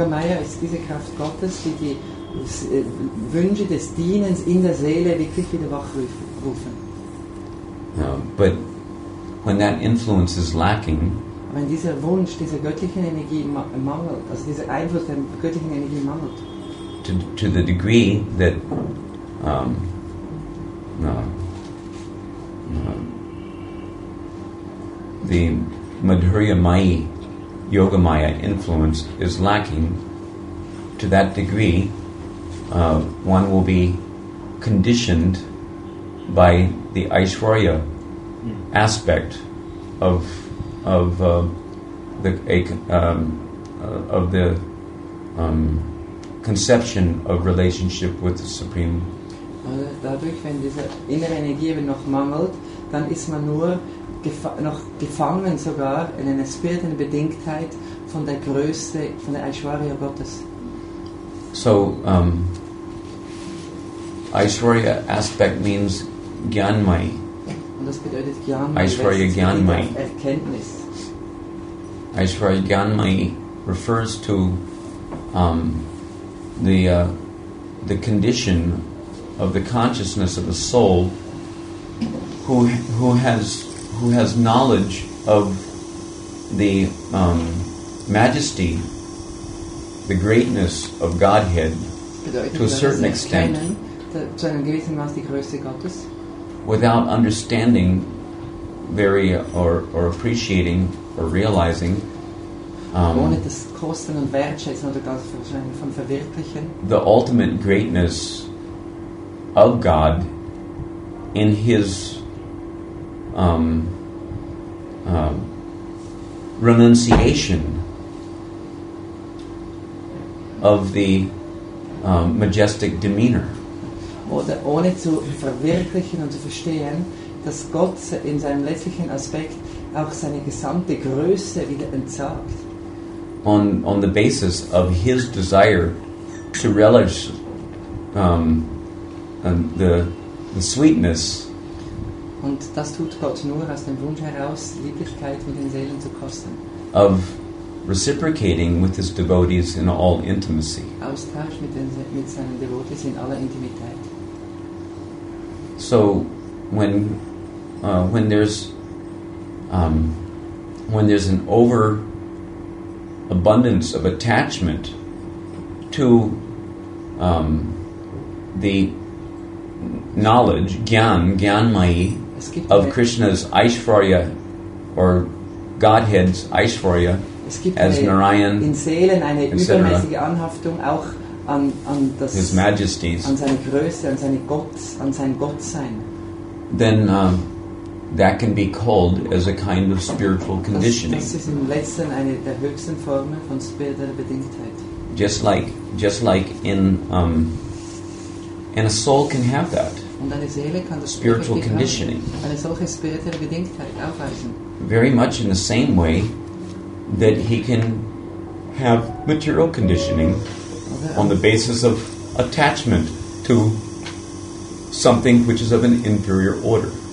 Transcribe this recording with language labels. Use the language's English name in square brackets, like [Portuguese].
[German] Yoga Maya ist diese Kraft Gottes, die die Wünsche des Dienens in der Seele wirklich wieder wachrufen. [English] But when that influence is lacking, [German] wenn dieser Wunsch, diese göttliche Energie mangelt, also dieser Einfluss der göttlichen Energie mangelt, [English] to the degree that the Madhurya Mayi Yoga Maya influence is lacking, to that degree one will be conditioned by the Aishwarya aspect of the conception of relationship with the Supreme. [German] Dadurch, wenn diese innere Energie eben noch mangelt, dann ist man nur noch gefangen sogar in einer spirituellen Bedingtheit von der Größe, von der Aishwarya Gottes. [English] So, Aishwarya aspect means Gyanmai. [German] Und das bedeutet Gyanmai. Aishwarya Gyanmai. Erkenntnis. [English] Aishwarya Gyanmai refers to the condition of the consciousness of a soul who has knowledge of the majesty, the greatness of Godhead, [German] bedeutet, [English] to a certain extent, [German] zu einem gewissen Maß die Größe Gottes, [English] without understanding very or appreciating or realizing [German] ohne das Kosten und Wertschätzen oder ganz von Verwirklichen, [English] the ultimate greatness of God in his renunciation of the majestic demeanor. [German] Oder ohne zu verwirklichen und zu verstehen, dass Gott in seinem letztlichen Aspekt auch seine gesamte Größe wieder entsagt. [English] On the basis of his desire to relish the sweetness. [German] Und das tut Gott nur aus dem Wunsch heraus, Lieblichkeit mit den Seelen zu kosten. [English] Of reciprocating with his devotees in all intimacy. [German] Austausch mit seinen Devotees in aller Intimität. [English] So, when there's an overabundance of attachment to the knowledge, gyanmayi, of Krishna's Aishwarya, or Godhead's Aishwarya, as Narayan, [German] in Seelen eine übermäßige Anhaftung auch an das, [English] his Majesties, [German] an seine Größe, an seine Gott, an sein Gottsein. [English] Then that can be called as a kind of spiritual conditioning. [German] Das ist im Letzten eine der höchsten Formen von spiritueller Bedingtheit. [English] Just like in and a soul can have that. [German] Und eine Seele kann das [English] spiritual conditioning. [German] Eine solche spirituelle Bedingtheit aufweisen. [English] Very much in the same way that he can have material conditioning on the basis of attachment to something which is of an inferior order.